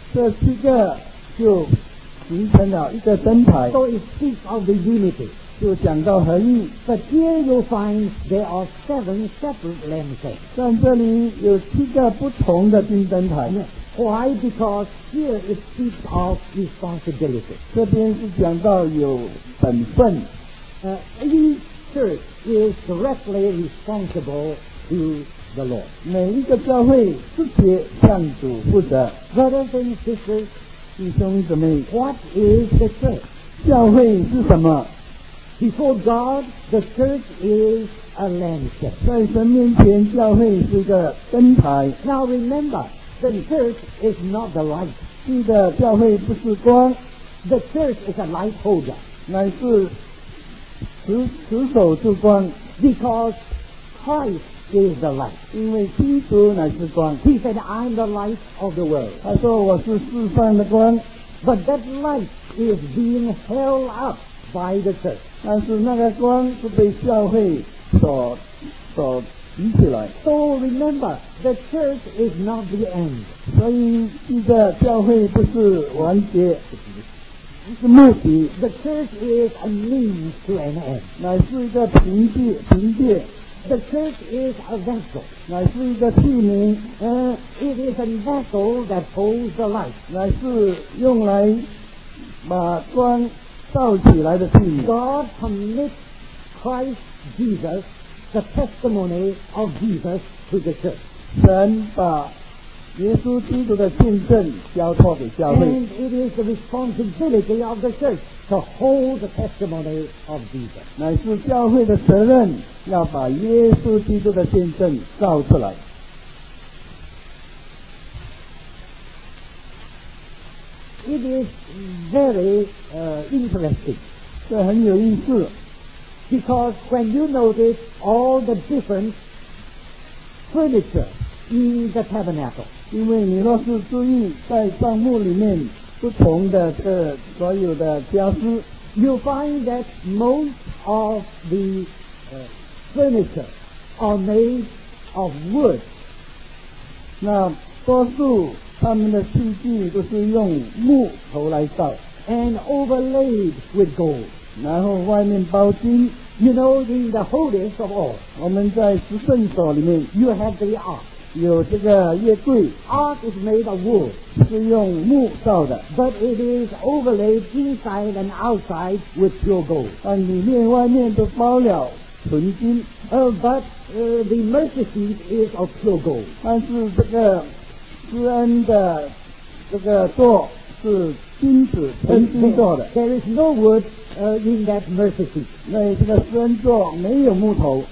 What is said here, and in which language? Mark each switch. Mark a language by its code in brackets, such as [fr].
[zh] 这七个就形成了一个灯台。 [en] So it speaks of the unity. [zh] 就讲到合一。 [en] But here you find there are seven separate lampstands. [zh] 但这里有七个不同的金灯台。 [en] Why? Because here it speaks of responsibility. [zh] 这边是讲到有本分。 [en] Each church is directly responsible to the Lord. [zh] 每一个教会直接向主负责。 [en] Brothers and sisters, [zh] 弟兄姊妹 [en] What is the church? [zh] 教会是什么 [en] Before God, the church is a lantern. [zh] 在神面前教会是个灯台 [en] Now remember, the church is not the light. [zh] 记得教会不是光 [en] The church is a light holder. [zh] 乃是持守之光 [en] Because Christ is the light. [zh] 因为基督乃是光。 [en] He said, I'm the light of the world. [zh] 他说我是世上的光。 [en] But that light is being held up by the church. [zh] 但是那个光是被教会所提起来。 [en] So remember, the church is not the end. [zh] 所以这个教会不是完结，是目的。 [en] The church is a means to an end. [zh] 乃是一个凭借。 [en] The church is a vessel. [zh] 乃是一个器皿。 [en] It is a vessel that holds the light. [zh] 乃是用来把光照起来的器皿。 [en] God permits Christ Jesus, the testimony of Jesus to the church. [zh] 神把耶稣基督的见证交托给教会。 [en] And it is the responsibility of the church to hold the testimony of Jesus. [zh] 乃是教会的责任要把耶稣基督的见证照出来。 [en] It is very interesting. [zh] 这很有意思。 [en] Because when you notice all the different furniture in the tabernacle, [zh] 因为你若是注意在帐幕里面不同的这所有的家私， [en] you find that most of the furniture are made of wood. [zh] 那多数他们的器具都是用木头来造， [en] and overlaid with gold. [zh] 然后外面包金。 [en] You know, in the holiest of all, [zh] 我们在十圣所里面， [en] you have the ark. [zh] 有这个月柜。 [en] Ark is made of wood, [zh] 是用木造的。 [en] But it is overlaid inside and outside with pure gold. [zh] 但里面外面都包了纯金。 [en] The mercy seat is of pure gold. [zh] 但是这个施恩的这个座是金子纯金做的。 [en] There is no wood in that mercy seat. [zh] 那这个施恩座没有木头。